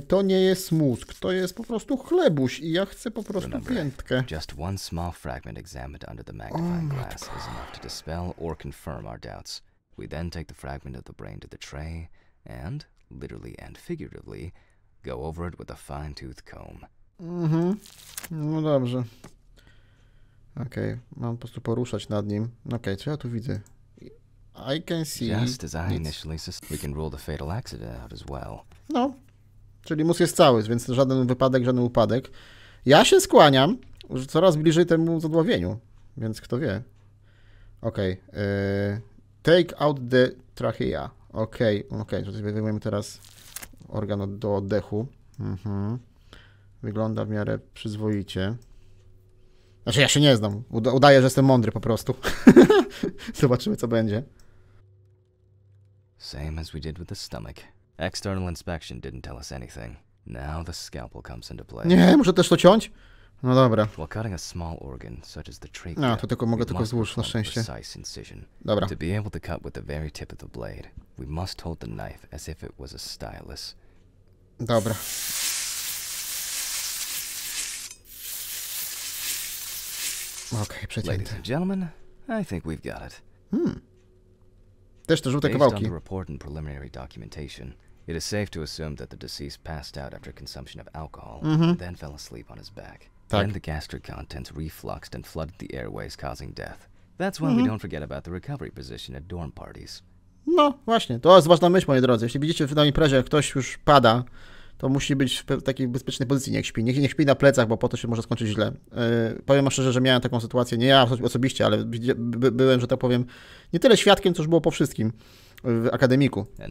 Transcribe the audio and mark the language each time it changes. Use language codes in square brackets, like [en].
[pl] To nie jest mózg. To jest po prostu chlebuś i ja chcę po prostu piętkę. [en] Just one small fragment examined under the magnifying glass is enough to dispel or confirm our doubts. We then take the fragment of the brain to the tray and, literally and figuratively, go over it with a fine-tooth comb. [pl] Mhm. No dobrze. Okej, mam po prostu poruszać nad nim. Okej, co ja tu widzę? [en] I can see. Just as I initially suspected, we can rule the fatal accident out as well. [pl] No, czyli mózg jest cały, więc żaden wypadek, żaden upadek. Ja się skłaniam, że coraz bliżej temu zadławieniu, więc kto wie. [en] Okej, take out the trachea. [pl] Okej, wyjmujemy teraz organ do oddechu. Mhm. Wygląda w miarę przyzwoicie. Znaczy, ja się nie znam. Udaję, że jestem mądry po prostu. Zobaczymy, co będzie. [en] Same as we did with the stomach. External inspection didn't tell us anything. Now the scalpel comes into play. [pl] Nie, muszę też to ciąć? No dobra. [en] While cutting a small organ, such as the trachea, [pl] no, to tylko mogę tylko złóż, na szczęście. [en] Precise incision. [pl] Dobra. [en] To be able to cut with the very tip of the blade, we must hold the knife as if it was a stylus. [pl] Dobra. Okej, przecięte. [en] Ladies and gentlemen, I think we've got it. [pl] Hmm. Też te żółte kawałki. [en] Based on the report and preliminary documentation, it is safe to assume that the deceased passed out after consumption of alcohol, and then fell asleep on his back. [pl] Tak. [en] Then the gastric contents refluxed and flooded the airways, causing death. That's why we don't forget about the recovery position at dorm parties. [pl] No, właśnie. To jest ważna myśl, moi drodzy. Jeśli widzicie w danej imprezie, jak ktoś już pada, to musi być w takiej bezpiecznej pozycji, niech śpi. Niech śpi na plecach, bo po to się może skończyć źle. Powiem wam szczerze, że miałem taką sytuację, nie ja osobiście, ale byłem, że tak powiem, nie tyle świadkiem, co już było po wszystkim w akademiku.